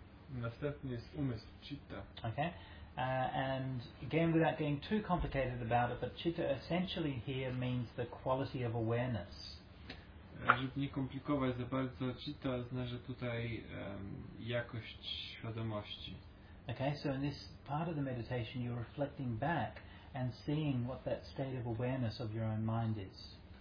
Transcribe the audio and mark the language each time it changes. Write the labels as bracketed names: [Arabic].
[Polish] Następny jest umysł, citta. [English] Okay. And again, without getting too complicated about it, but citta essentially here means the quality of awareness. [Polish] Żeby nie komplikować za bardzo, citta oznacza tutaj jakość świadomości. [English] Okay, so in this part of the meditation, you're reflecting back and seeing what that state of awareness of your own mind is.